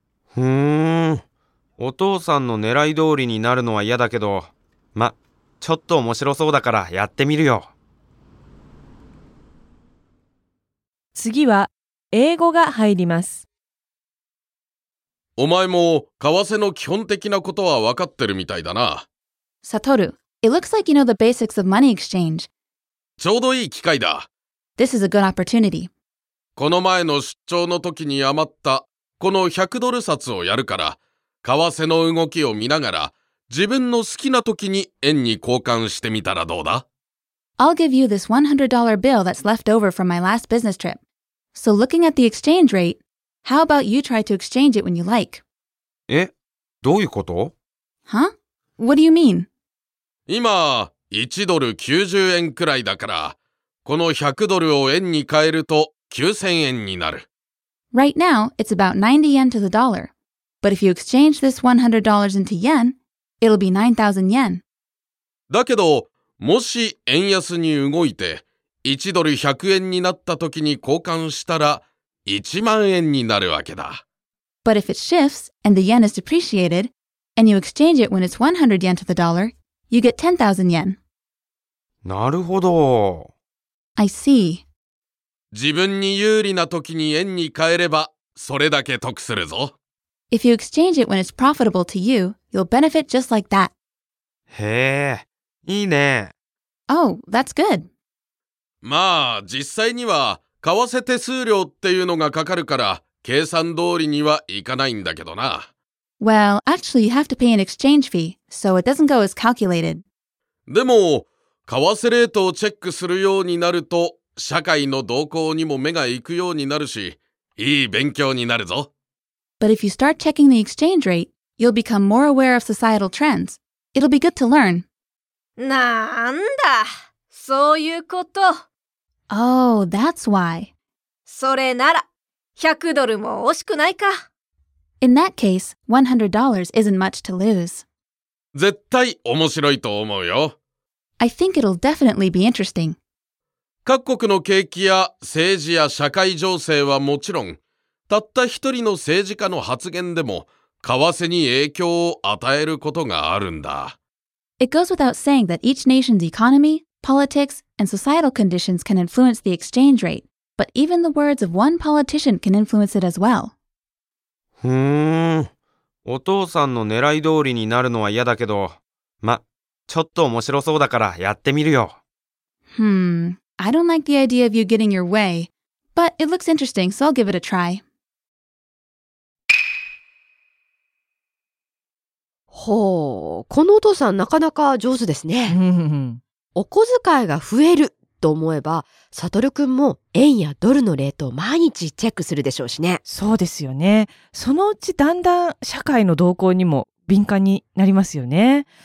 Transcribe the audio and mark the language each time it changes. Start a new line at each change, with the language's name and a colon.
Japanese: ふーん、お父さんの狙い通りになるのは嫌だけど、ま、ちょっと面白そうだからやってみるよ。次は英語が入ります。お前も為替の基本的なことは分かってるみたいだな。
English: サトル、It looks like you know the basics of money exchange.
Japanese: ちょうどいい機会だ。
English: This is a good opportunity.
Japanese: この前の出張の時に余ったこの100ドル札をやるから、為替の動きを見ながら自分の好きな時に円に交換してみたらどうだ？
English: I'll give you this $100 bill that's left over from my last business trip. So looking at the exchange rate,How about you try to exchange it when you like?
Japanese: え、どういうこと?
English: Huh? What do you mean?
Japanese: 今、1ドル90円くらいだから、この100ドルを円に換えると9000円になる。
English: Right now, it's about 90 yen to the dollar. But if you exchange this $100 into yen, it'll be 9000 yen.
Japanese: だけど、もし円安に動いて、1ドル100円になった時に交換したら、1万円になるわけだ。
English: But if it shifts and the yen is depreciated and you exchange it when it's 100 yen to the dollar, you get 10,000 yen.
Japanese: なるほど。
English: I see.
Japanese: 自分に有利な時に円に換えればそれだけ得するぞ。
English: If you exchange it when it's profitable to you, you'll benefit just like that.
Japanese: へえ、いいね。
English: Oh, that's good.
Japanese: まあ、実際には為替手数料っていうのがかかるから計算通りにはいかないんだけどな。
English: Well, actually, you have to pay an exchange fee, so it doesn't go as calculated.
Japanese: でも、為替レートをチェックするようになると、社会の動向にも目が行くようになるし、いい勉強になるぞ。
English: But if you start checking the exchange rate, you'll become more aware of societal trends. It'll be good to learn.
Japanese: なんだ、そういうこと。
English: Oh, that's why.
Japanese: それなら、100ドルも惜しくないか。
English: In that case, $100 isn't much to lose.
Japanese: 絶対面白いと思うよ。
English: I think it'll definitely be interesting.
Japanese: 各国の景気や政治や社会情勢はもちろん、たった一人の政治家の発言でも、為替に影響を与えることがあるんだ。
English: It goes without saying that each nation's economy, politics, and societal conditions can influence the exchange rate, but even the words of one politician can influence it as well.
Japanese: ふーん、お父さんの狙い通りになるのは嫌だけど、ま、ちょっと面白そうだからやってみるよ。
English: I don't like the idea of you getting your way, but it looks interesting, so I'll give it a try.
Japanese: ほう、このお父さんなかなか上手ですね。お小遣いが増えると思えば、サトル君も円やドルのレートを毎日チェックするでしょうしね。そうですよね。そのうちだんだん社会の動向にも敏感になりますよね。